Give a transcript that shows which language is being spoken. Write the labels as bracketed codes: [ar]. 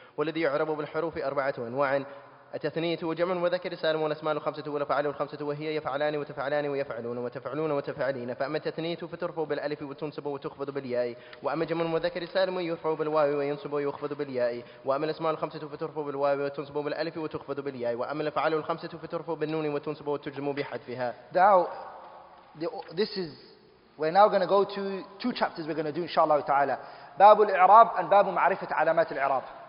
[ar] والذي يعرب بالحروف أربعة أنواع: التثنية وجمع وذكر سالم والأسماء الخمسة والأفعال الخمسة، وهي يفعلان وتفعلان ويفعلون وتفعلون وتفعلين، فأما التثنية فترفع بالألف وتنصب وتخفض بالياء، وأما جمع وذكر سالم يرفع بالواو وينصب ويخفض بالياء، وأما الأسماء الخمسة فترفع بالواو وتنصب بالألف وتخفض بالياء، وأما الأفعال الخمسة فترفع بالنون وتنصب وتجزم بحذفها. [en] Now, this is we're now going to go to two chapters we're going to do inshallah تعالى. [ar] باب الإعراب and باب معرفة علامات الإعراب.